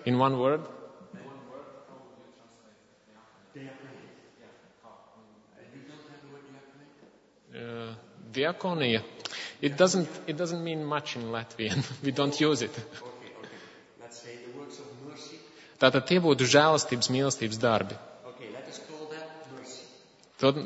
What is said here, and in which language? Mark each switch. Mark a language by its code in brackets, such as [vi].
[en] In one word? Diakonia. It doesn't mean much in Latvian. We don't use it. Okay. Let's say the works of mercy. [lv] Tātad tie būtu žēlastības, mīlestības darbi. [en] Okay, let us call that mercy.